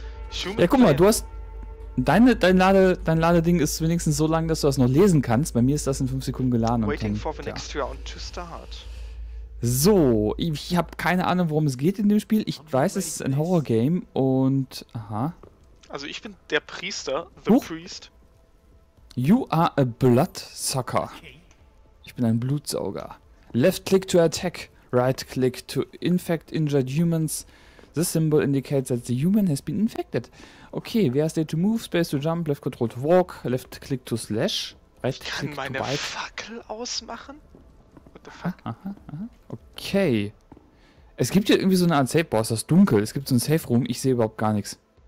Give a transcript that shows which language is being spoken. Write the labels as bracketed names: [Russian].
[German] Human ja, guck mal, du hast dein Ladeding ist wenigstens so lang, dass du das noch lesen kannst. Bei mir ist das in 5 Sekunden geladen. [English] Waiting for the next round to start. [German] So, ich habe keine Ahnung, worum es geht in dem Spiel. Ich weiß, es ist ein Horror-Game und... Aha. Also ich bin der Priester, [English] the priest. You are a bloodsucker. [German] Ich bin ein Blutsauger. [English] Left click to attack, right click to infect injured humans. This symbol indicates that the human has been infected. Okay, where is there to move, space to jump, left control to walk, left click to slash, right click to bite. [German] Kann meine Fackel ausmachen? [English] What the fuck? Aha. Okay. [German] Es gibt hier irgendwie so eine Art Safe, boah, ist das dunkel. Es gibt so einen Safe Room, ich sehe überhaupt gar nichts.